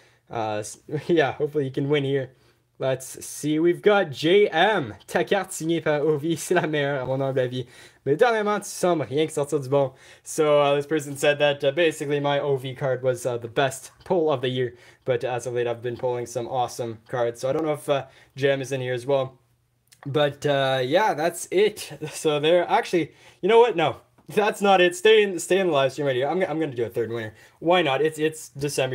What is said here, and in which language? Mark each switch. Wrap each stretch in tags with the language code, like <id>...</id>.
<en>Hopefully you can win here. Let's see. We've got JM.</en> <fr>Ta carte signée par OV, c'est la meilleure à mon humble avis. Mais dernièrement, tu sembles rien que sortir du bon.</fr> <en>So this person said that basically my OV card was the best pull of the year. But as of late, I've been pulling some awesome cards. So I don't know if JM is in here as well. But yeah, that's it. So there. Actually, you know what? No. That's not it. Stay in the live stream right here. I'm gonna do a third winner. Why not? It's December.</en>